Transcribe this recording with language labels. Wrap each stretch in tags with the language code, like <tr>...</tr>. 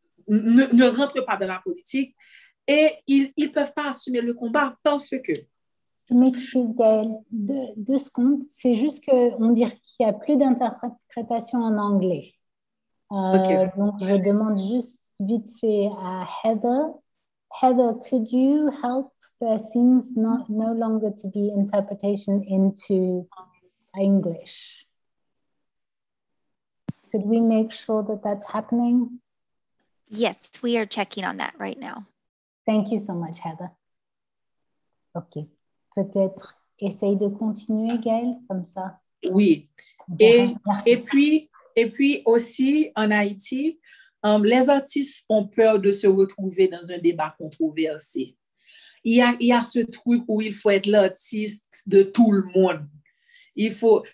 <fr>Ne rentrent pas dans la politique et ils ne peuvent pas assumer le combat parce que... Je m'excuse, Gaëlle, deux secondes. C'est juste qu'on dirait qu'il n'y a plus d'interprétation en anglais. Donc, je demande juste vite fait à Heather.</fr> <en>Heather, could you help? There seems no longer to be interpretation into English. Could we make sure that that's happening? Yes, we are checking on that right now. Thank you so much, Heather. OK.</en> <fr>Peut-être essaye de continuer, Gaëlle, comme ça. Oui. Et puis aussi, en Haïti, les artistes ont peur de se retrouver dans un débat controversé. Il y a ce truc où il faut être l'artiste de tout le monde. Il faut...</fr>